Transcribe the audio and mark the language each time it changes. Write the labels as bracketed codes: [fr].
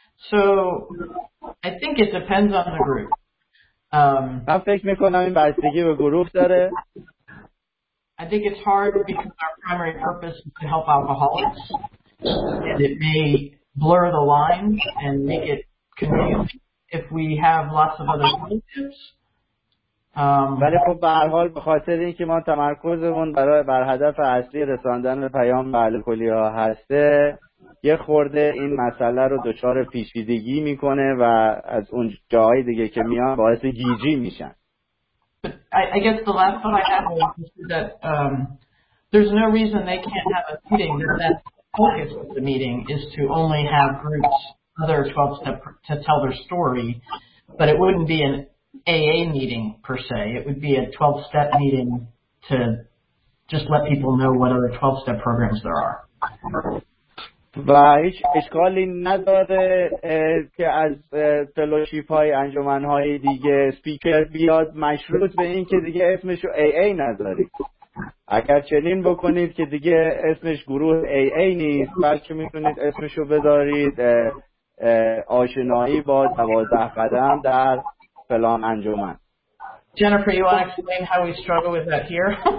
[en] So I think it depends on the group. [fa] من فکر میکنم این بستگی به گروه داره. [en] I think it's hard because our primary purpose is to help alcoholics. And it may blur the lines and make it confusing if we have lots of other relationships. [fa] ولی خب به هر حال به خاطر اینکه ما تمرکزمون برای بر هدف اصلی رساندن پیام به الکلی ها هسته، یه خورده این مسئله رو دچار پیچیدگی میکنه و از اون جاهای دیگه که میان باعث گیجی میشن. [en] I guess the last one I have is that there's no reason they can't have a meeting. That's the focus of the meeting is to only have groups, other 12 step to tell their story, but it wouldn't be an AA meeting per se. It would be a 12 step meeting to just let people know what other 12 step programs there are. [fa] و هیچ اشکالی نداره که از فلوشیپ های انجمن های دیگه سپیکر بیاد، مشروط به این که دیگه اسمش رو AA ندارید. اگر چنین بکنید که دیگه اسمش گروه AA نیست، بلکه میتونید اسمش رو بدارید آشنایی با 12 قدم در فلان انجمن. [en] Jennifer, you want to explain how we struggle with that here?